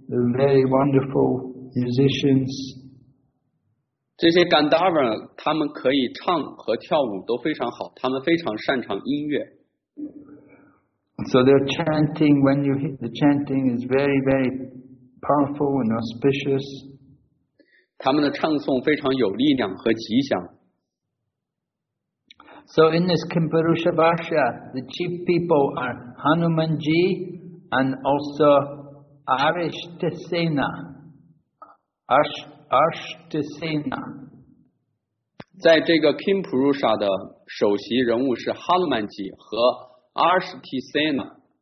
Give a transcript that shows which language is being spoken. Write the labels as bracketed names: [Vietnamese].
[English] They're very wonderful musicians. [Chinese] 这些 Gandharva 他们可以唱和跳舞都非常好，他们非常擅长音乐。 [English] So they're chanting when you hear the chanting is very, very powerful and auspicious. [Chinese] 他们的唱诵非常有力量和吉祥。 [English] So in this Kimpurusha Vasha, the chief people are Hanumanji and also Arishtasena. Arishtasena. [Chinese] 在这个 Kimpurusha 的首席人物是 Hanumanji 和 Arishtasena.